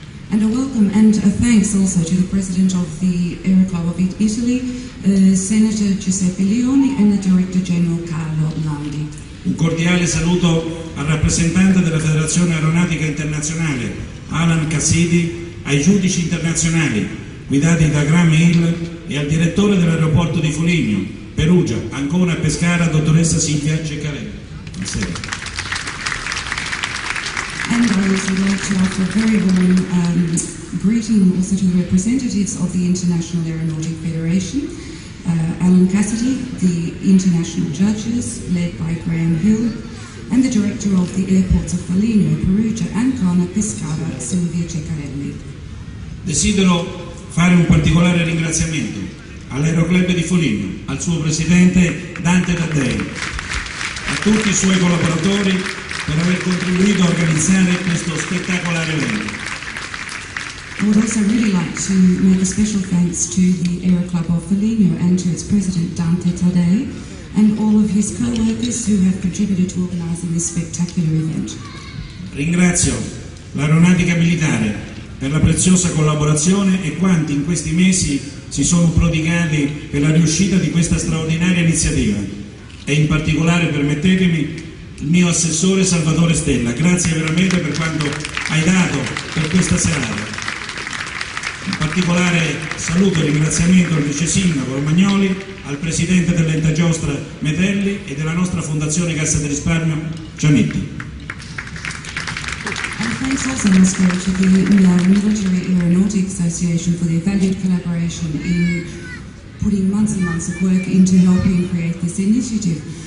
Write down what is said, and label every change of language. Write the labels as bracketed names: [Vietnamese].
[English] And a welcome and a thanks also to the president of the Aeroclub of Italy, senator Giuseppe Leoni, and the director general Carlo Landi. [Italian] Un cordiale saluto al rappresentante della Federazione Aeronautica Internazionale, Alan Cassidy, ai giudici internazionali, guidati da Graham Hill, e al direttore dell'aeroporto di Foligno, Perugia, Ancona e Pescara, dottoressa Silvia Ceccarelli. Buonasera. [English] And I also like to offer a very warm greeting also to the representatives of the International Aeronautic Federation, Alan Cassidy, the international judges led by Graham Hill, and the director of the airports of Foligno, Perugia, Ancona, Pescara, Silvia Ceccarelli. [Italian] Desidero fare un particolare ringraziamento all'Aeroclub di Foligno, al suo presidente Dante Taddei, a tutti i suoi collaboratori, per aver contribuito a organizzare questo spettacolare evento. [English] I would also really like to make a special thanks to the Aero Club of Foligno and to its president Dante Taddei and all of his co-workers who have contributed to organizing this spectacular event. [Italian] Ringrazio l'Aeronautica Militare per la preziosa collaborazione e quanti in questi mesi si sono prodigati per la riuscita di questa straordinaria iniziativa. E in particolare, permettetemi, il mio assessore Salvatore Stella, grazie veramente per quanto hai dato per questa serata. Un particolare saluto e ringraziamento al vice sindaco Romagnoli, al presidente dell'Ente Giostra Metelli e della nostra fondazione Cassa del Risparmio Giannetti. [English] And thanks also must go to the Military Aeronautics Association for their valued collaboration in putting months and months of work into helping create this initiative.